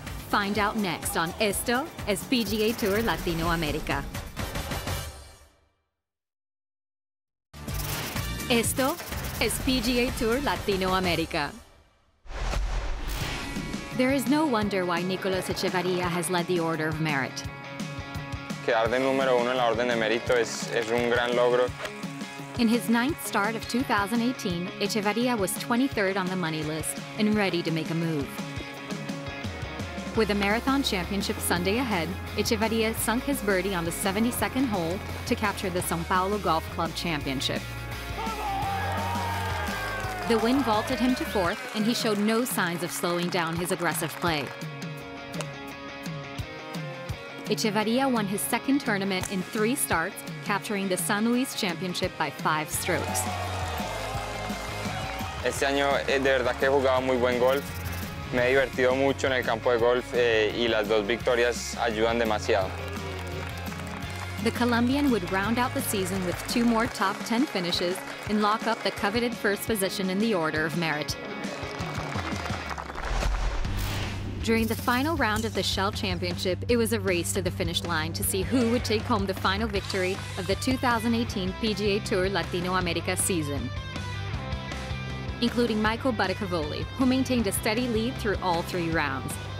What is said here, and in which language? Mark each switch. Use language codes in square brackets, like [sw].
[en] Find out next on Esto es PGA Tour Latinoamérica. [es] Esto es PGA Tour Latinoamérica. [en] There is no wonder why Nicolás Echevarría has led the order of merit. [es] Quedar de número uno en la orden de mérito es un gran logro. [en] In his ninth start of 2018, Echevarría was 23rd on the money list and ready to make a move. With a marathon championship Sunday ahead, Echevarría sunk his birdie on the 72nd hole to capture the São Paulo Golf Club Championship. The win vaulted him to fourth, and he showed no signs of slowing down his aggressive play. Echevarría won his second tournament in three starts, capturing the San Luis Championship by five strokes. [es] Este año, de verdad que he jugado muy buen golf. Me he divertido mucho en el campo de golf, y las dos victorias ayudan demasiado. [en] The Colombian would round out the season with two more top 10 finishes and lock up the coveted first position in the order of merit. During the final round of the Shell Championship, it was a race to the finish line to see who would take home the final victory of the 2018 PGA Tour Latinoamérica season, including Michael Buttecavoli, who maintained a steady lead through all three rounds.